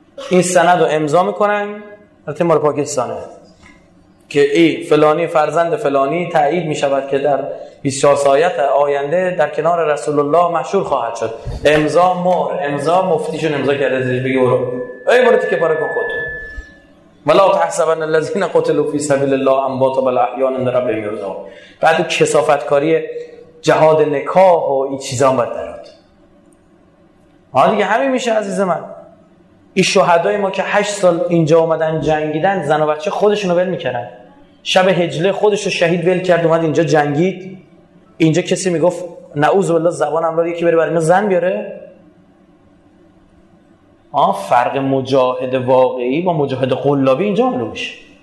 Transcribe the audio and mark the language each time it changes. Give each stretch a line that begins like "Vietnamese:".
Persian: این سند رو امضا میکنن، البته مال پاکستانه، که ای فلانی فرزند فلانی تایید میشود که در 24 ساعت آینده در کنار رسول الله مشهور خواهد شد. امضا مهر، امضا مفتیشون امضا کرده زیر، بگی برو ای برو تیکه پاره کن خود.
Arabic: ولا تحسبن الذين قتلوا في سبيل الله اموات بل احياء عند ربهم يرزقون.
Persian: بعد کسافت کاری جهاد نکاح و این چیزا هم باید درات. حالا دیگه همین میشه عزیز من. این شهدای ما که 8 سال اینجا اومدن جنگیدن، زن و بچه خودشونو ول میکردن. شب هجله خودشو شهید ول کرد اومد اینجا جنگید. اینجا کسی میگفت نعوذ بالله زبانم رو یکی بره برای اینا زن بیاره؟ فرق مجاهد واقعی با مجاهد قلابی اینجا معلوم میشه.